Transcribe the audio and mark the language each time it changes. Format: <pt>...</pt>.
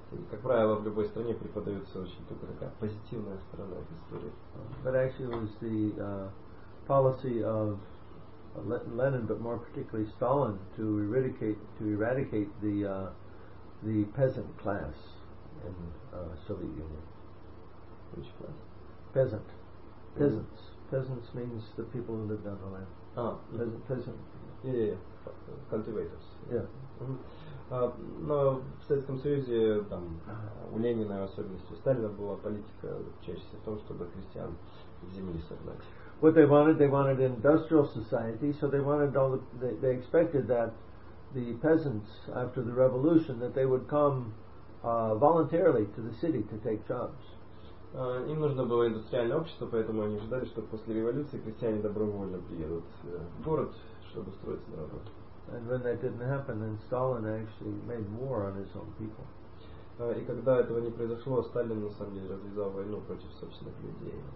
<ru>Как правило, в любой стране преподается очень только такая позитивная сторона истории.</ru> <en>But actually, it was the policy of Lenin, but more particularly Stalin, to eradicate the peasant class in Soviet Union. Which class? Peasant. Peasants. Mm-hmm. Peasants means the people who lived on the land. Peasant. Yeah. Cultivators. Yeah.</en> <ru>Но в Советском Союзе там у Ленина, особенностью Сталина, была политика чаще всего в том, чтобы крестьян земли согнать.</ru> <en>What they wanted an industrial society, so they wanted all they expected that the peasants, after the revolution, that they would come voluntarily to the city to take jobs.</en> <ru>Им нужно было индустриальное общество, поэтому они ожидали, что после революции крестьяне добровольно приедут в город, чтобы устроиться на работу.</ru> <en>And when that didn't happen, then Stalin actually made war on his own people.</en> <ru>И когда этого не произошло, Сталин на самом деле развязал войну против собственных людей.</ru>